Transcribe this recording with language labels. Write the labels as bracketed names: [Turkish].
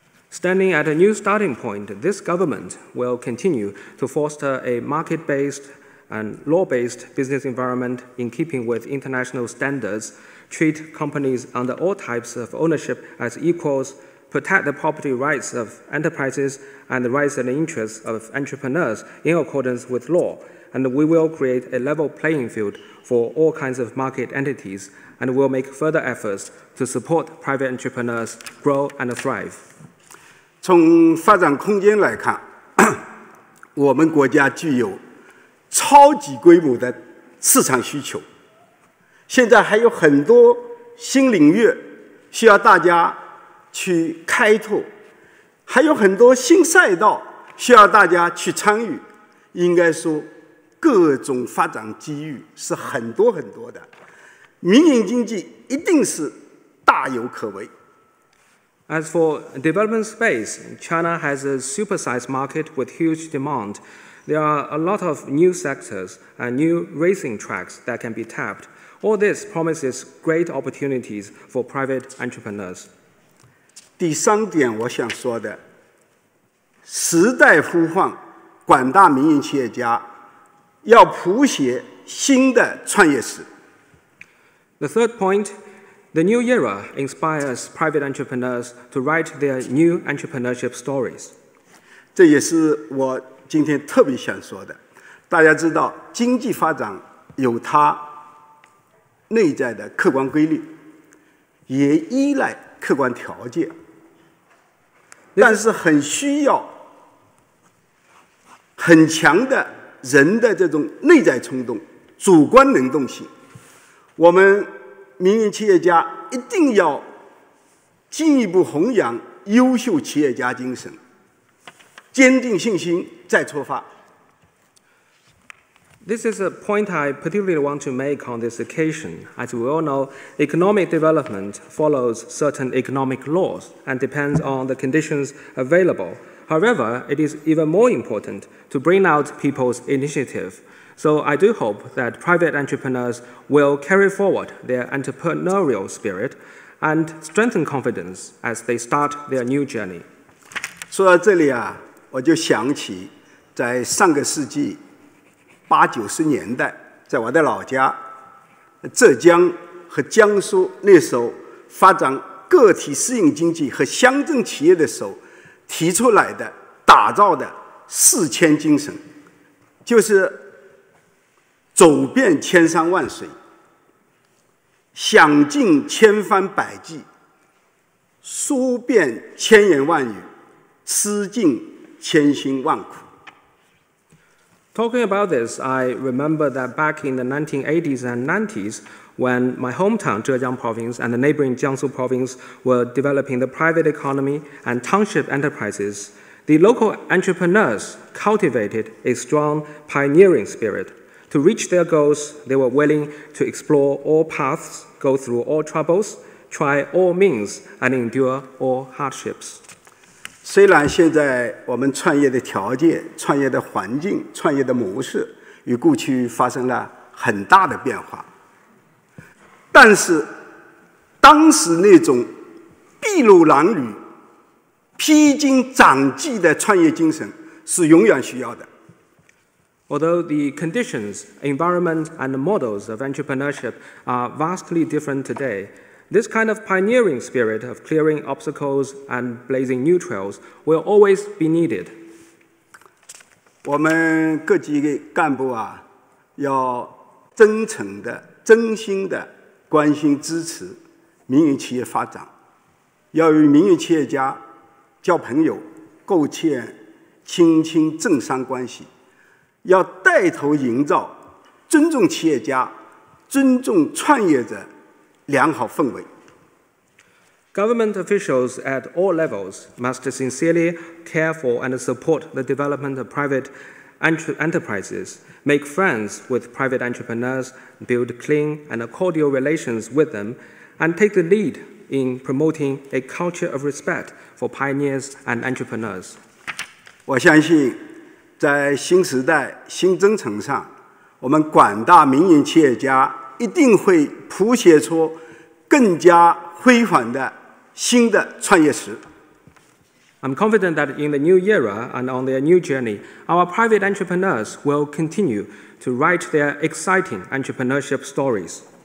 [English] Standing at a new starting point, this government will continue to foster a market-based and law-based business environment in keeping with international standards, treat companies under all types of ownership as equals, protect the property rights of enterprises and the rights and interests of entrepreneurs in accordance with law, and we will create a level playing field for all kinds of market entities and will make further efforts to support private entrepreneurs grow and thrive. [Chinese] 从发展空间来看，我们国家具有超级规模的市场需求，现在还有很多新领域需要大家去开拓，还有很多新赛道需要大家去参与。应该说各种发展机遇是很多很多的，民营经济一定是大有可为。 [English] As for development space, China has a supersized market with huge demand. There are a lot of new sectors and new racing tracks that can be tapped. All this promises great opportunities for private entrepreneurs. [Chinese] 第三点我想说的，时代呼唤广大民营企业家要谱写新的创业史。 [English] The third point, the new era inspires private entrepreneurs to write their new entrepreneurship stories. [Chinese] 这也是我今天特别想说的。大家知道，经济发展有它内在的客观规律，也依赖客观条件，但是很需要很强的人的这种内在冲动、主观能动性。我们民营企业家一定要进一步弘扬优秀企业家精神，坚定信心再出发。 [English] This is a point I particularly want to make on this occasion. As we all know, economic development follows certain economic laws and depends on the conditions available. However, it is even more important to bring out people's initiative. So I do hope that private entrepreneurs will carry forward their entrepreneurial spirit and strengthen confidence as they start their new journey. [Chinese] 说到这里啊，我就想起在上个世纪八九十年代，在我的老家浙江和江苏，那时候发展个体私营经济和乡镇企业的时候提出来的、打造的四千精神，就是走遍千山万水，想尽千方百计，说遍千言万语，吃尽千辛万苦。 [English] Talking about this, I remember that back in the 1980s and 90s, when my hometown Zhejiang province and the neighboring Jiangsu province were developing the private economy and township enterprises, the local entrepreneurs cultivated a strong pioneering spirit. To reach their goals, they were willing to explore all paths, go through all troubles, try all means, and endure all hardships. [Chinese] 虽然现在我们创业的条件、创业的环境、创业的模式与过去发生了很大的变化，但是当时那种筚路蓝缕、披荆斩棘的创业精神是永远需要的。 [English] Although the conditions, environment, and models of entrepreneurship are vastly different today, this kind of pioneering spirit of clearing obstacles and blazing new trails will always be needed. [Chinese] 我们各级的干部啊，要真诚的、真心的关心支持民营企业发展，要与民营企业家交朋友，构建亲亲政商关系，要带头营造尊重企业家、尊重创业者良好氛围。 [English] Government officials at all levels must sincerely care for and support the development of private enterprises, make friends with private entrepreneurs, build clean and cordial relations with them, and take the lead in promoting a culture of respect for pioneers and entrepreneurs. [Chinese] 我相信在新时代新征程上，我们广大民营企业家一定会谱写出更加辉煌的新的创业史。 [English] I'm confident that in the new era and on their new journey, our private entrepreneurs will continue to write their exciting entrepreneurship stories.